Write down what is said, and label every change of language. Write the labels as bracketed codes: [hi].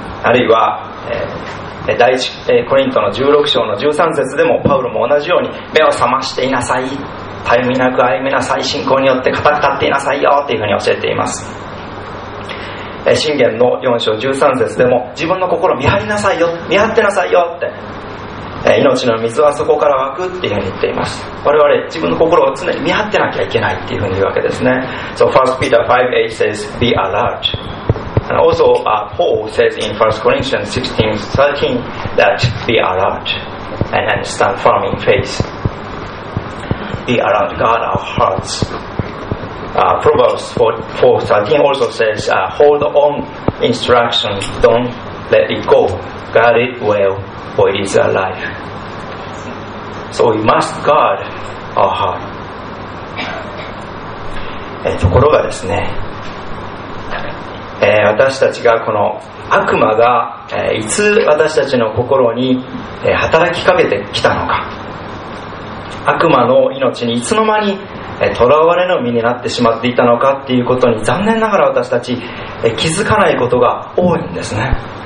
[ja] あるいは、第一コリントの16章の13節でもパウロも同じように目を覚ましていなさい、たゆみなく歩みなさい、信仰によって固く立っていなさいよというふうに教えています。箴言の4章13節でも自分の心見張りなさいよ、見張ってなさいよって、命の水はそこから湧くっていうふうに言っています。我々自分の心を常に見張ってなきゃいけないっていうふうに言うわけですね。 [en] So 1 Peter 5, 8 says be alert and also Paul says in 1 Corinthians 16, 13 that be alert and stand firm in faith, be alert, guard our heartsProverbs 4:13 also says, hold on instruction, don't let it go. Guard it well, for it is our life. So we must guard our heart. [ja] ところがですね、私たちがこの悪魔が、いつ私たちの心に、働きかけてきたのか、悪魔の命にいつの間に囚われの身になってしまっていたのかっていうことに残念ながら私たち気づかないことが多いんですね。